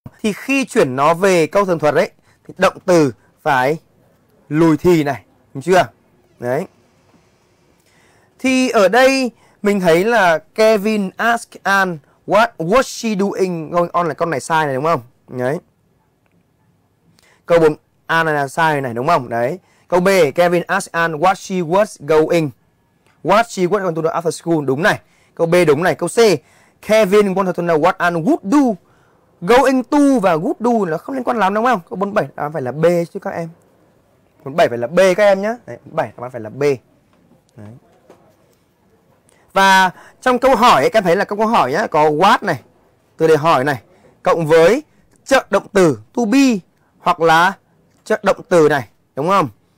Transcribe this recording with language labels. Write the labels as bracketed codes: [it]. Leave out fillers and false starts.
[vi] Thì khi chuyển nó về câu tường thuật đấy thì động từ phải lùi thì này, đúng chưa? Đấy. Thì ở đây mình thấy là [en] Kevin ask Anne what was she doing going on, [vi] là con này sai này đúng không? Đấy. Câu 4 A này là sai này đúng không? Đấy. Câu B, [en] Kevin ask Anne what she was going, what she was going to do after school, [vi] đúng này. Câu B đúng này. Câu C, [en] Kevin wanted to know what Anne would do. [vi] Going to và would do là không liên quan lắm đúng không? Câu 47 đáp án phải là B chứ các em. 47 phải là B các em nhé. Đấy, 47 đáp án phải là B. Đấy. Và trong câu hỏi ấy, các em thấy là câu hỏi nhá, có what này, từ để hỏi này, cộng với trợ động từ to be hoặc là trợ động từ này, đúng không?